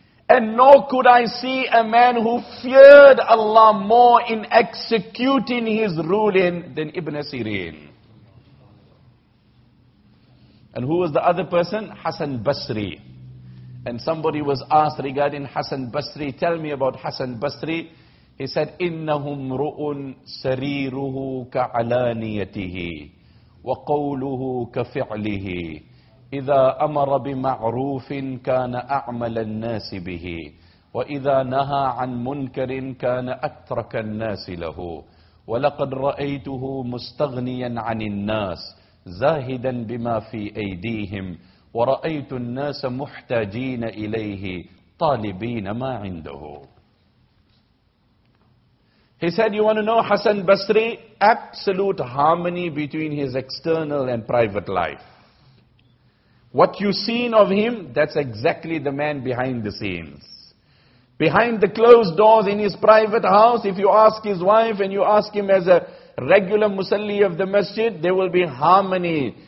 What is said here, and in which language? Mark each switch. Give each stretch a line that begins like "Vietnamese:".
English: And nor could I see a man who feared Allah more in executing his ruling than Ibn Sirin. And who was the other person? Hassan Basri. And somebody was asked regarding Hassan Basri, tell me about Hassan Basri. He said,
Arabic: إِنَّهُمْ رُؤٌ سَرِيرُهُ كَعَلَانِيَتِهِ وَقَوْلُهُ كَفِعْلِهِ إِذَا أَمَرَ بِمَعْرُوفٍ كَانَ أَعْمَلَ النَّاسِ بِهِ وَإِذَا نَهَى عَنْ مُنْكَرٍ كَانَ أَتْرَكَ النَّاسِ لَهُ وَلَقَدْ رَأَيْتُهُ مُسْتَغْنِيًا عَنِ النَّاسِ زاهدا بما في أيديهم ورأيت الناس محتاجين إليه طالبين ما عنده.
English: He said, you want to know Hassan Basri? Absolute harmony between his external and private life. What you've seen of him, that's exactly the man behind the scenes. Behind the closed doors in his private house, if you ask his wife and you ask him as a regular musalli of the masjid, there will be harmony.